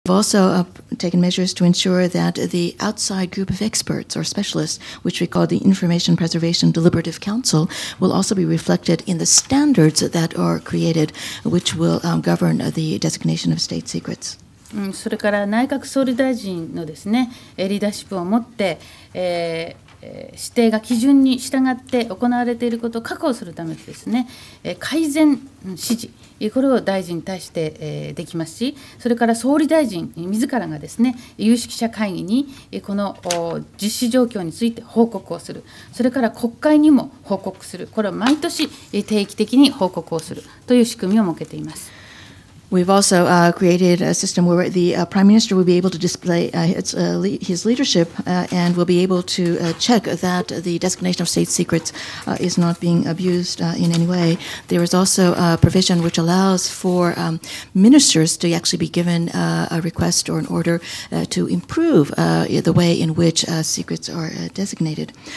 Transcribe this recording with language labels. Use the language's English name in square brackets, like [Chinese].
[English] We've also taken measures to ensure that the outside group of experts or specialists, which we call the Information Preservation Deliberative Council, will also be reflected in the standards that are created, which will govern the designation of state secrets. [Japanese] それから内閣総理大臣のですね、リーダーシップを持って、指定が基準に従って行われていることを確保するためにですね、改善指示、これを大臣に対してできますし、それから総理大臣自らがですね、有識者会議にこの実施状況について報告をする、それから国会にも報告する、これは毎年定期的に報告をするという仕組みを設けています。 [English] We've also created a system where the Prime Minister will be able to display his leadership and will be able to check that the designation of state secrets is not being abused in any way. There is also a provision which allows for ministers to actually be given a request or an order to improve the way in which secrets are designated.